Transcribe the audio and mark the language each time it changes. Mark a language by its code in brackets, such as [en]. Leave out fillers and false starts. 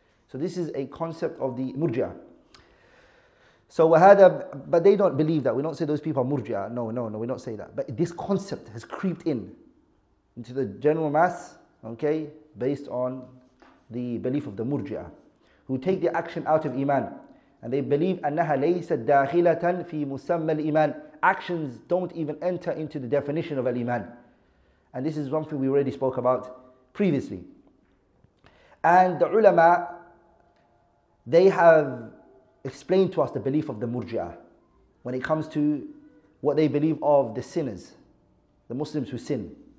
[en] So this is a concept of the murji'a. So wahada, but they don't believe that. We don't say those people are murji'a. No, no, no, we don't say that. But this concept has creeped in into the general mass, okay, based on the belief of the murji'a, who take the action out of iman. And they believe [ar] أنها ليست داخلة في مسمى الإيمان. [en] Actions don't even enter into the definition of al-Iman. And this is one thing we already spoke about previously. And the ulama, they have explained to us the belief of the murji'a when it comes to what they believe of the sinners, the Muslims who sin.